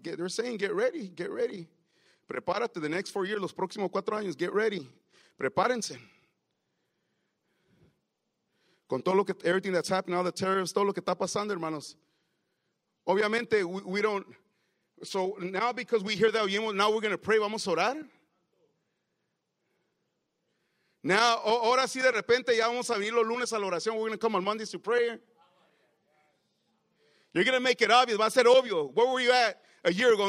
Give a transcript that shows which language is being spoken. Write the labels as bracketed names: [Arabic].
[English] They're saying, get ready, get ready. [Spanish] Prepárate, [English] the next 4 years, [Spanish] los próximos 4 años, [English] get ready. [Spanish] Prepárense. Con todo lo que, [English] everything that's happening, all the tariffs, [Spanish] todo lo que está pasando, hermanos. [English] Obviamente, we don't, so now because we hear that, now we're going to pray, [Spanish] vamos a orar. Now, ahora sí, de repente, ya vamos a venir los lunes a la oración. [English] We're going to come on Mondays to prayer. You're going to make it obvious. [Spanish] Va a ser obvio. [English] Where were you at a year ago?